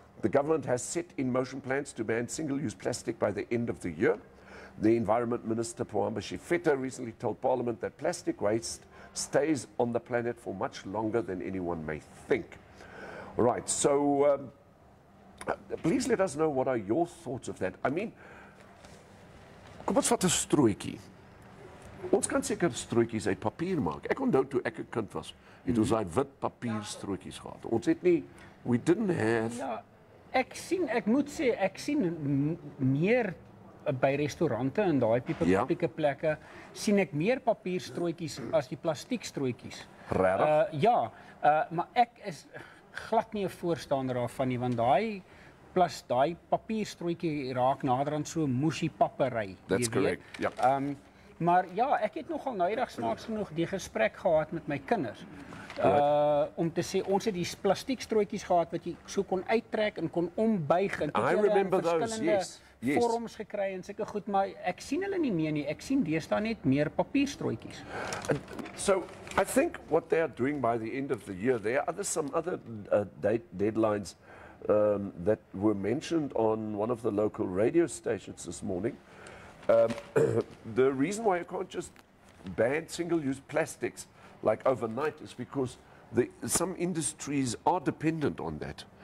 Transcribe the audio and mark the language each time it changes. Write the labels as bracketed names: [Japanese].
[English] The government has set in motion plans to ban single-use plastic by the end of the year. The Environment Minister, Poamba Shifeta, recently told Parliament that plastic waste stays on the planet for much longer than anyone may think. Right, so please let us know what are your thoughts of that. I mean, [Afrikaans] kom ons vat 'n strooitjie. Ons kan seker strooitjies uit papier maak. Ek onthou toe ek 'n kind was, het ons daai wit papier strooitjies gehad. Ons het nie, [English] we didn't have... [Afrikaans] Ja, ek sien, ek moet sê, ek sien meer by restaurante en daai pieke plekke, sien ek meer papier strooitjies as die plastiek strooitjies. Regtig? Maar ek is glad nie 'n voorstander daarvan nie, want daai... Plus daai papier strooitjie raak nader aan so mosie papery. [English] That's correct, ja. [Afrikaans] Maar ja, ek het nogal nouydig snaaks genoeg die gesprek gehad met my kinders. Om te sê, ons het die plastiek strooitjies gehad wat jy so kon uittrek en kon ombuig. En [English] I remember those, yes. Yes. [Afrikaans] Vorms gekry en sulke goed, maar ek sien hulle nie meer nie. Ek sien deesdae net meer papierstrooitjies. [English] So, I think what they are doing by the end of the year, there are some other deadlines that were mentioned on one of the local radio stations this morning. The reason why you can't just ban single-use plastics like overnight is because some industries are dependent on that.